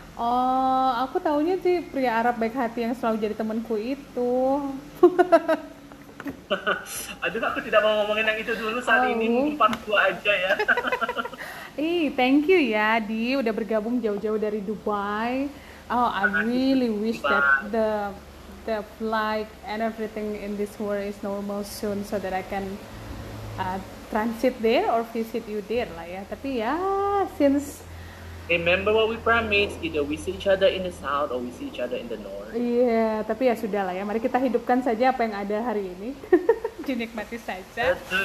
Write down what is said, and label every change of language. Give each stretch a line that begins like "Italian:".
Indonesian: Oh, aku taunya sih pria Arab baik hati yang selalu jadi temanku itu. Aduh, aku tidak mau ngomongin yang itu dulu saat ini, umpan gua aja ya.
English: thank you
Indonesian: ya, Di, udah bergabung jauh-jauh dari Dubai.
English: Oh, I really wish that the flight and everything in this world is normal soon so that I can transit there or visit you there
Indonesian: lah ya. Tapi ya, since
English: remember what we promised, either we see each other in the south or we see each other in the north.
Indonesian: Yeah, tapi ya sudah lah ya. Mari kita hidupkan saja apa yang ada hari ini. Dinikmati saja.